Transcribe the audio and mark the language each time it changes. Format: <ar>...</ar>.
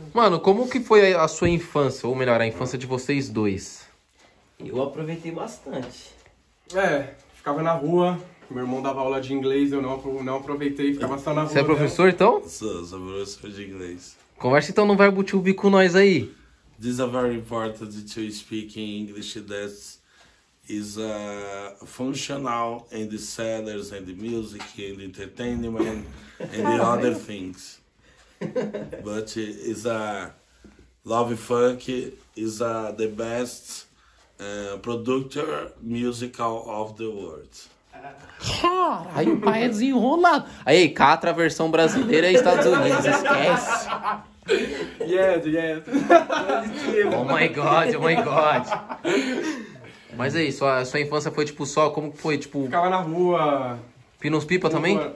<pt>Mano, como que foi a sua infância, ou melhor, a infância de vocês dois? Eu aproveitei bastante. Ficava na rua, meu irmão dava aula de inglês, eu não aproveitei, ficava só na Você é rua mesmo. professor, então? Sou professor de inglês. Conversa então no Verbo To Be com nós aí.</pt> <en>This is very important to speak in English that is functional in the sellers and the music and the entertainment and the other things. But is a Love Funk is the best producer musical of the world.</en> <pt>Cara, aí o pai é desenrolado. Aí, Catra, versão brasileira e Estados Unidos, esquece.</pt> <en>Yes. Oh my God, oh my God.</en> <pt>Mas aí, sua infância foi tipo só, como que foi? Tipo, Ficava na rua. Pinos Pipa também?</pt>